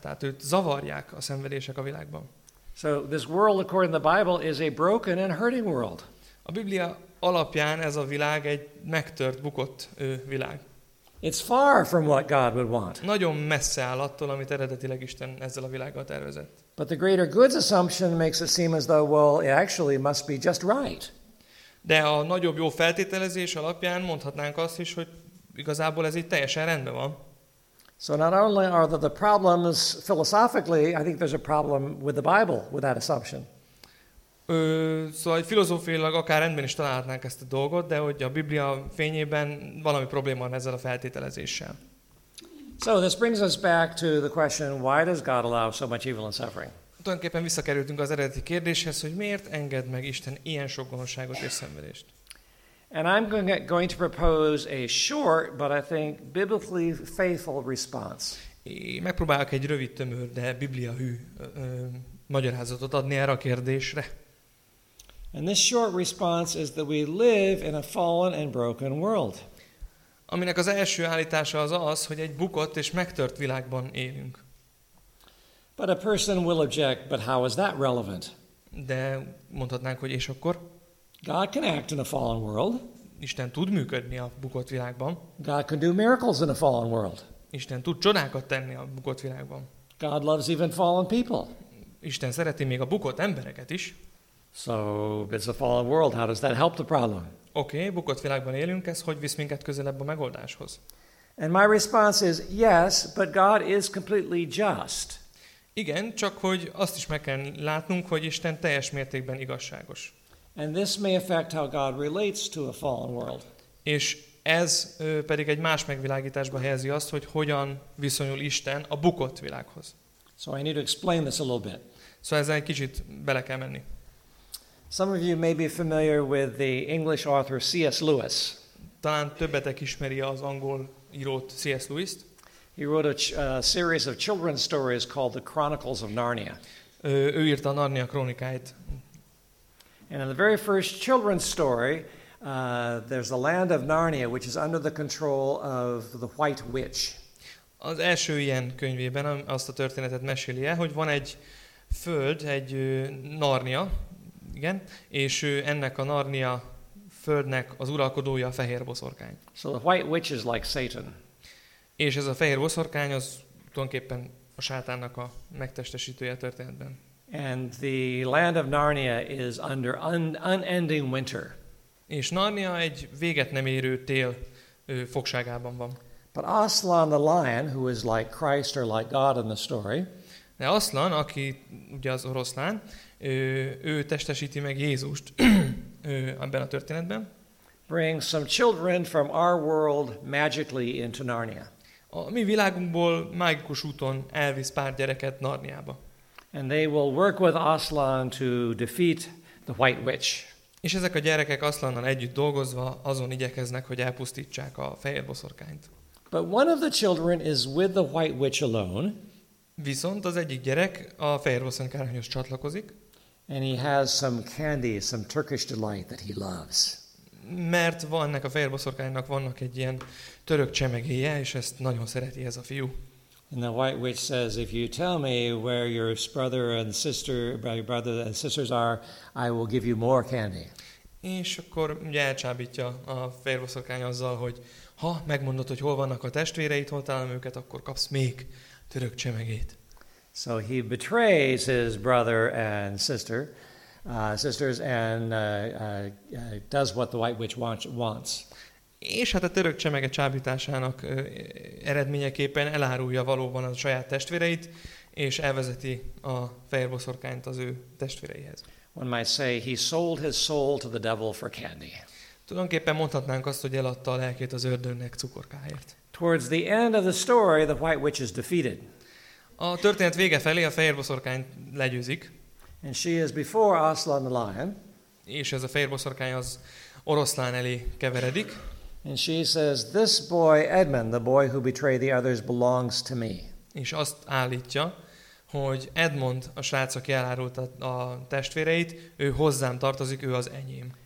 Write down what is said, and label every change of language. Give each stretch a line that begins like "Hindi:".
Hungarian: Tehát őt zavarják a szenvedések a világban.
English: So this world according to the Bible is a broken and hurting world.
Hungarian: A Biblia alapján ez a világ egy megtört, bukott világ.
English: It's far from what God would want.
Hungarian: Nagyon messze áll attól, amit eredetileg Isten ezzel a világgal tervezett.
English: But the greater goods assumption makes it seem as though well it actually must be just right.
Hungarian: De a nagyobb jó feltételezés alapján mondhatnánk azt is, hogy igazából ez itt teljesen rendben van.
English: So not only are there the problems philosophically, I think there's a problem with the Bible with that assumption.
Hungarian: Szóval filozófiailag akár rendben is találhatnánk ezt a dolgot, de hogy a Biblia fényében valami probléma van ezzel a feltételezéssel.
English: So this brings us back to the question, why does God allow so much evil and suffering?
Hungarian: Tulajdonképpen visszakerültünk az eredeti kérdéshez, hogy miért enged meg Isten ilyen sok gonoszságot és szenvedést.
English: And I'm going to propose a short, but I think biblically faithful response.
Hungarian: Megpróbálok egy rövid, tömör, de bibliahű magyarázatot adni erre a kérdésre.
English: And this short response is that we live in a fallen and broken world.
Hungarian: Aminek az első állítása az az, hogy egy bukott és megtört világban élünk.
English: But a person will object, but how is that relevant?
Hungarian: De mondhatnánk, hogy és akkor?
English: God can act in a fallen world.
Hungarian: Isten tud működni a bukott világban.
English: God can do miracles in a fallen world.
Hungarian: Isten tud csodákat tenni a bukott világban.
English: God loves even fallen people.
Hungarian: Isten szereti még a bukott embereket is.
English: So, it's a fallen world. How does that help the problem?
Hungarian: Okay, bukott világban élünk, ez hogy visz minket közelebb a megoldáshoz?
English: And my response is, yes, but God is completely just.
Hungarian: Igen, csak hogy azt is meg kell látnunk, hogy Isten teljes mértékben igazságos.
English: And this may affect how God relates to a fallen world.
Hungarian: És ez pedig egy más megvilágításba helyezi azt, hogy hogyan viszonyul Isten a bukott világhoz.
English: So I need to explain this a little bit.
Hungarian: Szóval ezzel egy kicsit bele kell menni.
English: Some of you may be familiar with the English author C.S. Lewis.
Hungarian: Talán többetek ismeri az angol írót C.S. Lewis-t.
English: He wrote a series of children's stories called The Chronicles of Narnia.
Hungarian: Ő írta a Narnia krónikáit.
English: And in the very first children's story, there's the land of Narnia, which is under the control of the White Witch.
Hungarian: Az első ilyen könyvében azt a történetet meséli el, hogy van egy föld, egy Narnia Igen, és ennek a Narnia földnek az uralkodója a fehér boszorkány.
English: So the white witch is like Satan.
Hungarian: És ez a fehér boszorkány az tulajdonképpen a sátánnak a megtestesítője a történetben.
English: And the land of Narnia is under unending winter.
Hungarian: És Narnia egy véget nem érő tél fogságában van.
English: But Aslan the lion, who is like Christ or like God in the story.
Hungarian: De Aslan, aki ugye az oroszlán, ő testesíti meg Jézust ebben a történetben.
English: Bring some children from our world magically into Narnia.
Hungarian: A mi világunkból mágikus úton elvisz pár gyereket Narniába.
English: And they will work with Aslan to defeat the White Witch.
Hungarian: És ezek a gyerekek Aslannal együtt dolgozva azon igyekeznek, hogy elpusztítsák a fehér boszorkányt.
English: But one of the children is with the White Witch alone.
Hungarian: Viszont az egyik gyerek a fehér boszorkányhoz csatlakozik.
English: And he has some candy, some Turkish delight that he loves.
Hungarian: Mert van ennek a fehér boszorkánynak vannak egy ilyen török csemegéje, és ezt nagyon szereti ez a fiú.
English: And the White Witch says, if you tell me where your brother and sister, your brother and sisters are, I will give you more candy.
Hungarian: És akkor ugye elcsábítja a fehér boszorkány azzal, hogy ha megmondod, hogy hol vannak a testvéreid, hol találom őket, akkor kapsz még török csemegét.
English: So he betrays his brother and sister, sisters, and does what the White Witch wants.
Hungarian: És hát a török csemege csábításának eredményeképpen elárulja valóban a saját testvéreit, és elvezeti a fehér boszorkányt az ő testvéreihez.
English: One might say he sold his soul to the devil for candy.
Hungarian: Tulajdonképpen mondhatnánk azt, hogy eladta a lelkét az ördögnek cukorkáért.
English: Towards the end of the story, the White Witch is defeated.
Hungarian: A történet vége felé a fehér boszorkány legyőzik.
English: And she is before Aslan the lion.
Hungarian: És ez a fehér boszorkány az oroszlán elé keveredik.
English: And she says, this boy Edmund, the boy who betrayed the others, belongs to me.
Hungarian: És azt állítja, hogy Edmund, a srác, aki elárult a testvéreit, ő hozzám tartozik, ő az enyém.